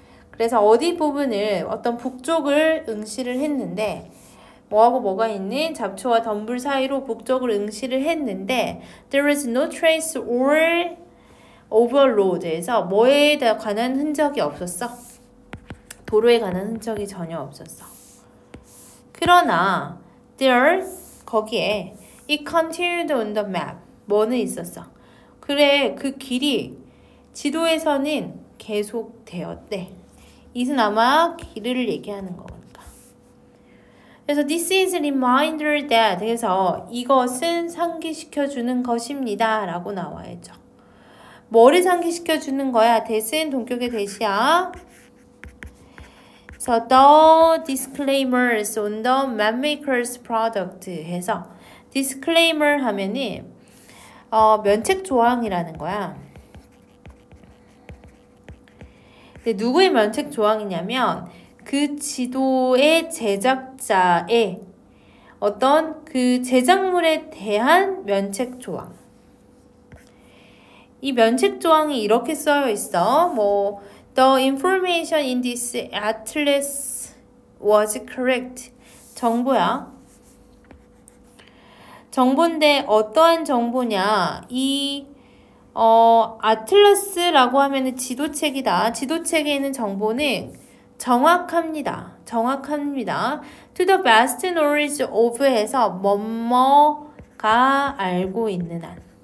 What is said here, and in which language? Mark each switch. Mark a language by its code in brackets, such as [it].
[ko] 그래서 어디 부분을 어떤 북쪽을 응시를 했는데 뭐하고 뭐가 있는 잡초와 덤불 사이로 북쪽을 응시를 했는데 [en] there is no trace or overload [ko] 에서 뭐에 관한 흔적이 없었어. 도로에 관한 흔적이 전혀 없었어. 그러나 [en] there [ko] 거기에 [en] it continued on the map [ko] 뭐는 있었어. 그래 그 길이 지도에서는 계속 되었대. 이는 아마 길을 얘기하는 거니까. 그래서 [en] this is a reminder that [ko] 해서 이것은 상기시켜주는 것입니다 라고 나와야죠. 뭐를 상기시켜주는 거야? that은 동격의 that이야. [en] so the disclaimers on the mapmaker's product [ko] 해서 [en] disclaimer [ko] 하면은 면책조항이라는 거야. 누구의 면책 조항이냐면 그 지도의 제작자의 어떤 그 제작물에 대한 면책 조항. 이 면책 조항이 이렇게 쓰여 있어. 뭐 [en] the information in this atlas was correct. [ko] 정보야. 정보인데 어떠한 정보냐? 이 아틀러스라고 하면은 지도책이다. 지도책에 있는 정보는 정확합니다. 정확합니다. [en] To the best knowledge of [ko] 해서 뭐뭐가 알고 있는 한.